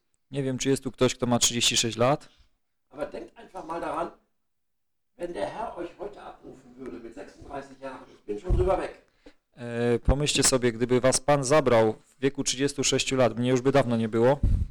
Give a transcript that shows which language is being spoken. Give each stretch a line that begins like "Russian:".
Polish: Nie wiem, czy jest tu ktoś, kto ma 36 lat.
German: Aber denkt einfach mal daran, wenn der Herr euch heute abrufen würde mit 36 Jahren.
Polish: Pomyślcie sobie, gdyby was Pan zabrał w wieku 36 lat, mnie już by dawno nie było.